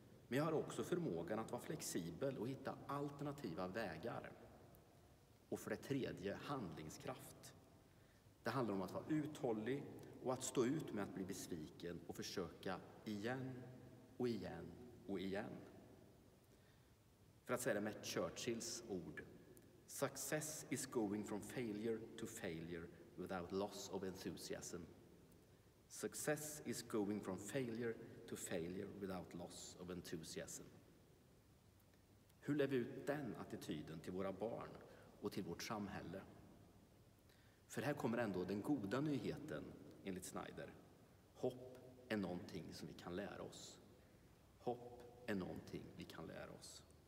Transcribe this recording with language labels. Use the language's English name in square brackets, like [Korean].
[Swedish] Men jag har också förmågan att vara flexibel och hitta alternativa vägar. Och för det tredje, handlingskraft. Det handlar om att vara uthållig och att stå ut med att bli besviken och försöka igen och igen och igen. För att säga det med Churchills ord. [English] Success is going from failure to failure without loss of enthusiasm. Success is going from failure to failure without loss of enthusiasm. [Swedish] Hur lever vi ut den attityden till våra barn och till vårt samhälle? För här kommer ändå den goda nyheten, enligt Snyder. Hopp är någonting som vi kan lära oss. Hopp är någonting vi kan lära oss.